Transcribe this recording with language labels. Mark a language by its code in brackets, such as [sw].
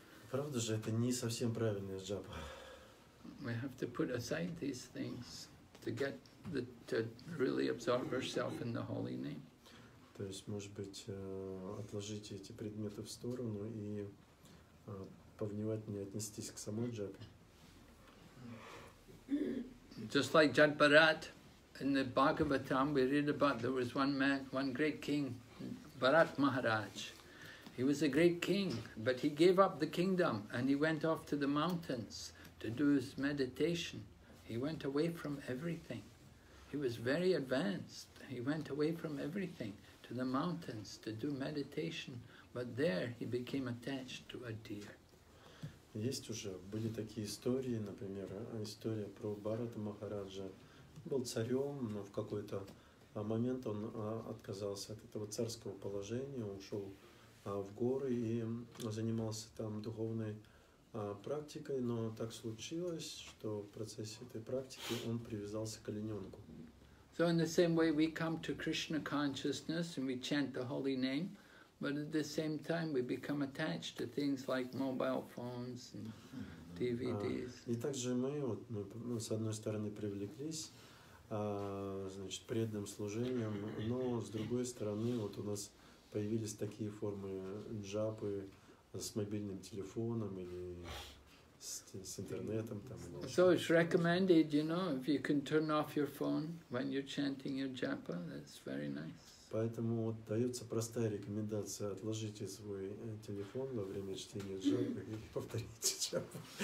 [ru] Правда же, это не совсем правильный джапа. [en] We have to put aside these things to get to really absorb ourselves in the holy name. [ru] То есть, может быть, отложить эти предметы в сторону и повнимательнее отнестись к самой джапе. [en] Just like Jatbarat, in the Bhagavatam we read about there was one man, one great king, Bharat Maharaj. He was a great king, but he gave up the kingdom and he went off to the mountains to do his meditation. He went away from everything. He was very advanced. He went away from everything to the mountains to do meditation, but there he became attached to a deer. [ru] Есть уже были такие истории, например, история про Бхарата Махараджа. Был царем, но в какой-то момент он отказался от этого царского положения, ушел в горы и занимался там духовной практикой, но так случилось, что в процессе этой практики он привязался к олененку. [en] So in the same way we come to Krishna consciousness and we chant the holy name, but at the same time we become attached to things like mobile phones and DVDs. [ru] И также мы с одной стороны привлеклись, значит, преданным служением, но с другой стороны вот у нас появились такие формы джапы с мобильным телефоном или с интернетом там. [en] So it's recommended, you know, if you can turn off your phone when you're chanting your japa, that's very nice. [ru] Поэтому вот дается простая рекомендация: отложите свой телефон во время чтения джапы и повторите джапу.